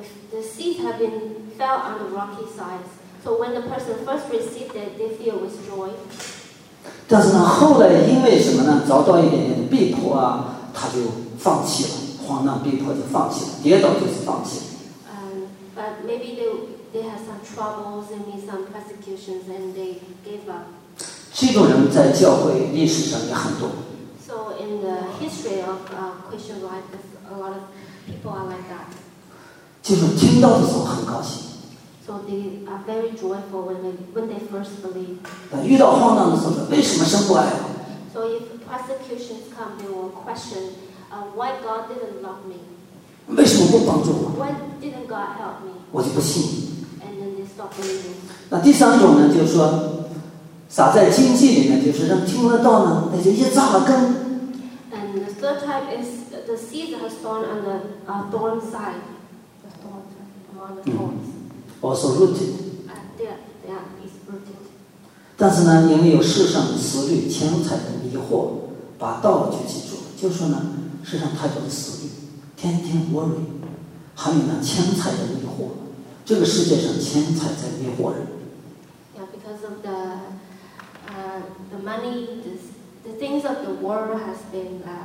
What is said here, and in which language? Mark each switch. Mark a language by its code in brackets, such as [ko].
[en] The seeds have been fell on the rocky sides. So when the person first received it, they feel with joy. [zh] 但是呢，后来因为什么呢？遭到一点点的逼迫啊，他就放弃了，患难逼迫就放弃了，跌倒就是放弃了。 [en] But maybe they have some troubles and need some persecutions and they gave up. [zh] 这种人在教会历史上也很多。 [en] So in the history of Christian life, there's a lot of. People are like that. [zh] 就是听到的时候很高兴。 [en] So they are very joyful when they first believe. [zh] 但遇到患难的时候，为什么神不爱我？ [en] So if persecutions come, they will question, why God didn't love me? [zh] 为什么不帮助我？ [en] Why didn't God help me? [zh] 我就不信。 [en] And then they stop believing. [zh] 那第三种呢，就是说，撒在荆棘里面，就是让听了道呢，那就也扎了根。 [en] And the third type is. The seed has sown on the thorn side, the thorns, among the thorns. Also rooted. Yeah, it's rooted. [zh] 但是呢，你们有世上的思虑、钱财的迷惑，把道就记住了。就说呢，世上太多的思虑，天天 worry， 还有呢，钱财的迷惑。这个世界上，钱财在迷惑人。 [en] Yeah, because of the money, the things of the world has been.